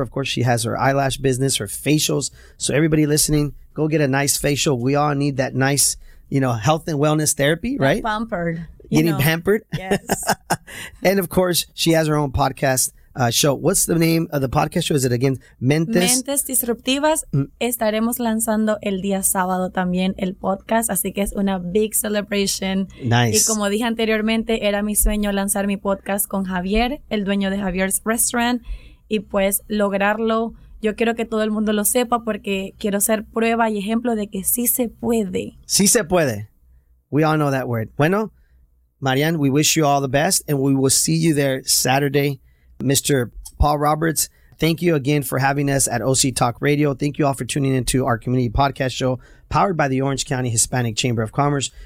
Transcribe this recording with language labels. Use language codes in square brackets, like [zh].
[en] Of course, she has her eyelash business, her facials. So everybody listening, go get a nice facial. We all need that nice, you know, health and wellness therapy, right? Pampered. Getting pampered? Yes. And of course, she has her own podcast show. What's the name of the podcast show? Is it again Mentes? Mentes Disruptivas. [es] Estaremos lanzando el día sábado también el podcast. Así que es una [en] big celebration. Nice. [es] Y como dije anteriormente, era mi sueño lanzar mi podcast con Javier, el dueño de Javier's Restaurant. Y pues lograrlo, yo quiero que todo el mundo lo sepa porque quiero ser prueba y ejemplo de que sí se puede. Sí se puede. [en] We all know that word. Bueno, Marianne, we wish you all the best and we will see you there Saturday. Mr. Paul Roberts, Thank you again for having us at OC Talk Radio. Thank you all for tuning into our community podcast show powered by the Orange County Hispanic Chamber of Commerce.